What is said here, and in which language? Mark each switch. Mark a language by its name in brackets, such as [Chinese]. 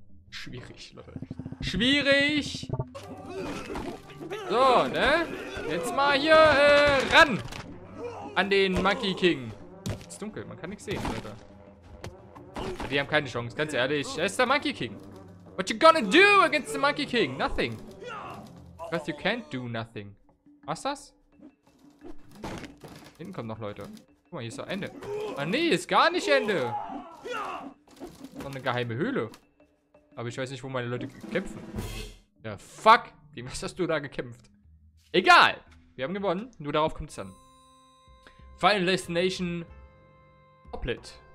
[German] Schwierig, Leute. Schwierig! So, ne? Jetzt mal hier ran! An den Monkey King. Ist dunkel, man kann nichts sehen, Leute. Die haben keine Chance, ganz ehrlich. Er ist der Monkey King. [English] What you gonna do against the Monkey King? Nothing. Because you can't do nothing. [German] Was ist das? Hinten kommen noch Leute. Guck mal, hier ist doch Ende. Ah, nee, ist gar nicht Ende. So eine geheime Höhle. Aber ich weiß nicht, wo meine Leute kämpfen. Ja, fuck. Gegen was hast du da gekämpft? Egal. Wir haben gewonnen. Nur darauf kommt es an. Final Destination. Hoplit.